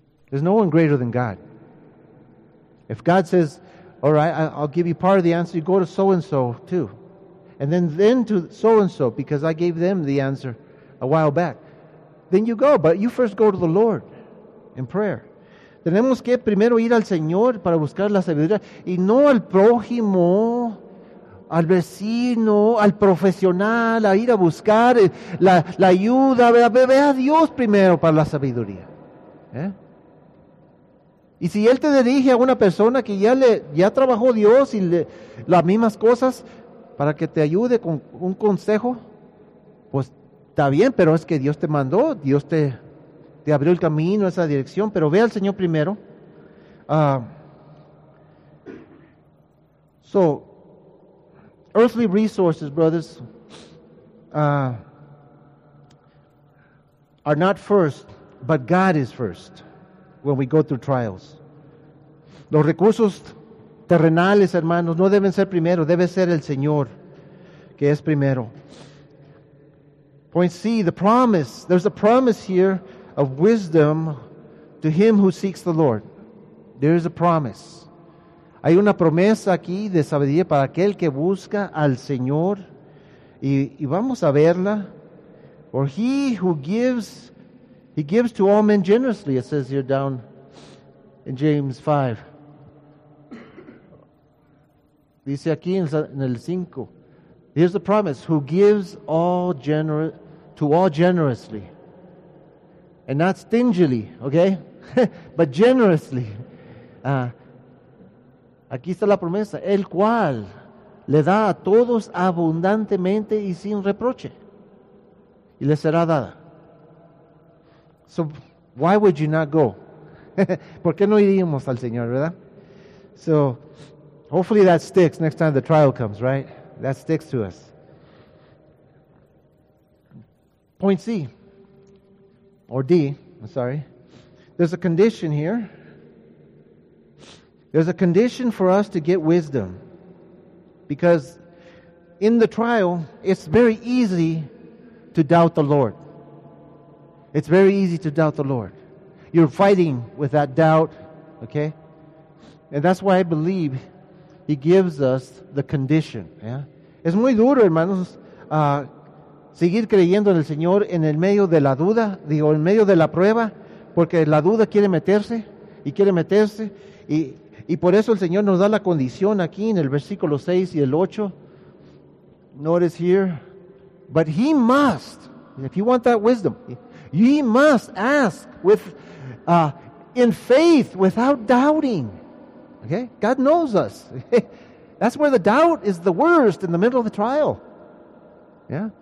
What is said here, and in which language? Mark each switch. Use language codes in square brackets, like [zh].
[en] There's no one greater than God. If God says, all right, I'll give you part of the answer, you go to so-and-so too. And then to so-and-so, because I gave them the answer a while back. Then you go, but you first go to the Lord in prayer. [es] Tenemos que primero ir al Señor para buscar la sabiduría y no al prójimo, al vecino, al profesional, a ir a buscar la ayuda. Ve a Dios primero para la sabiduría. ¿Eh? Y si Él te dirige a una persona que ya trabajó Dios y las mismas cosas para que te ayude con un consejo, pues está bien, pero es que Dios te mandó, Dios te abrió el camino, esa dirección, pero ve al Señor primero. [en] So, earthly resources, brothers, are not first, but God is first when we go through trials. [es] Los recursos terrenales, hermanos, no deben ser primero, debe ser el Señor que es primero. [en] Point C, the promise. There's a promise here of wisdom to him who seeks the Lord. There is a promise. [es] Hay una promesa aquí de sabiduría para aquel que busca al Señor. Y vamos a verla. [en] For he who gives, he gives to all men generously, it says here down in James 5. [es] Dice aquí en el 5. [en] Here's the promise. Who gives all generously. To all generously, and not stingily, okay, but generously. [es] Aquí está la promesa, el cual le da a todos abundantemente y sin reproche, y le será dada. [en] So, why would you not go? [es] ¿Por qué no iríamos al Señor, verdad? [en] So, hopefully that sticks next time the trial comes, right? That sticks to us. Point C, or D, I'm sorry. There's a condition here. There's a condition for us to get wisdom. Because in the trial, it's very easy to doubt the Lord. It's very easy to doubt the Lord. You're fighting with that doubt, okay? And that's why I believe he gives us the condition. Yeah? [es] Es muy duro, hermanos, seguir creyendo en el Señor en el medio de la duda, digo, en medio de la prueba, porque la duda quiere meterse, y por eso el Señor nos da la condición aquí en el versículo 6 y el 8. [en] Notice here, but he must, if you want that wisdom, he must ask with in faith, without doubting. Okay, God knows us. That's where the doubt is the worst, in the middle of the trial. Yeah.